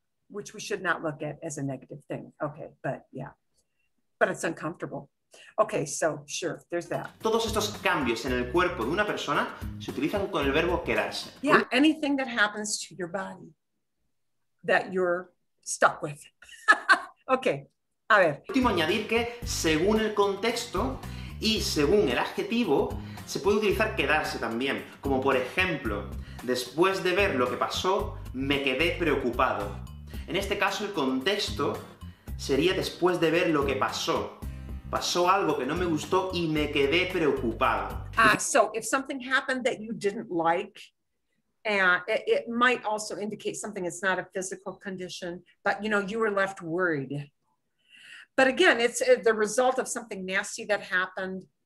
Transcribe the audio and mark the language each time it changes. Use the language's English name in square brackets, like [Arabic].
[English] Which we should not look at as a negative thing. Okay. But yeah. But it's uncomfortable. Okay. So sure. There's that. [Spanish] Todos estos cambios en el cuerpo de una persona se utilizan con el verbo quedarse. [English] Yeah. Anything that happens to your body that you're stuck with. [Spanish] Okay. A ver. Último añadir que según el contexto y según el adjetivo, se puede utilizar quedarse también. Como por ejemplo, después de ver lo que pasó, me quedé preocupado. En este caso, el contexto sería después de ver lo que pasó. Pasó algo que no me gustó y me quedé preocupado. [English] So if something happened that you didn't like, it might also indicate something. It's not a physical condition, but you know, you were left worried. But again, it's the result of something nasty that happened.